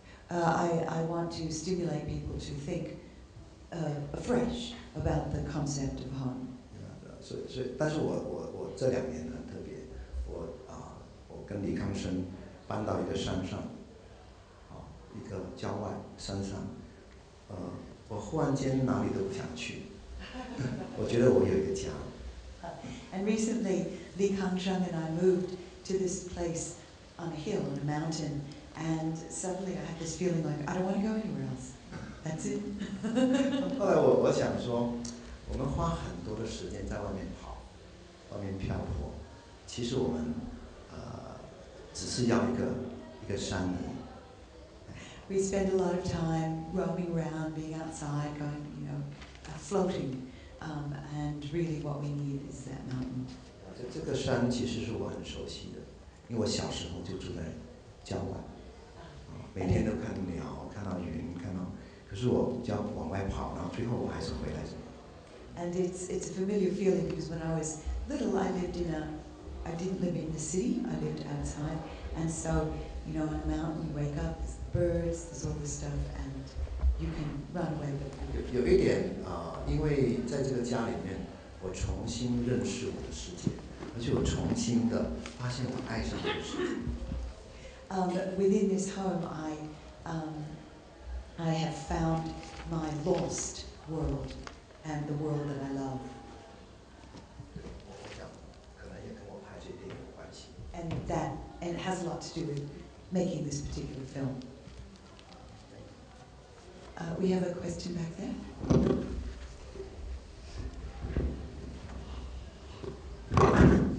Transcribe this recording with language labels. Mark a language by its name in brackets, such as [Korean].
[English] I want to stimulate people to think afresh about the concept of home. [Chinese] 这两年呢，特别我跟李康生搬到一个山上，啊，一一个郊外山上，我忽然间哪里都不想去，我觉得我有一个家。 [English] And recently, Li Kangzheng and I moved to this place on a hill on a mountain, and suddenly I had this feeling like I don't want to go anywhere else. That's it. [Chinese] 后来我想说，我们花很多的时间在外面跑，外面漂泊，其实我们只是要一个山林。 [English] We spend a lot of time roaming around, being outside, going, you know, floating. And really, what we need is that mountain. [Chinese] 这个山其实是我很熟悉的，因为我小时候就住在郊外，每天都看鸟，看到云，看到。可是我比较往外跑，然后最后我还是回来。 [English] And it's a familiar feeling because when I was little, I didn't live in the city. I lived outside, and so you know, on a mountain, you wake up. Birds, there's all this stuff, and you can run away with them. [Chinese] 有一点啊，因为在这个家里面，我重新认识我的世界，而且我重新的发现我爱上这个世界。 [English] Within this home, I have found my lost world and the world that I love. [Chinese] 我想，可能也跟我拍这电影有关系。 [English] And it has a lot to do with making this particular film. We have a question back there.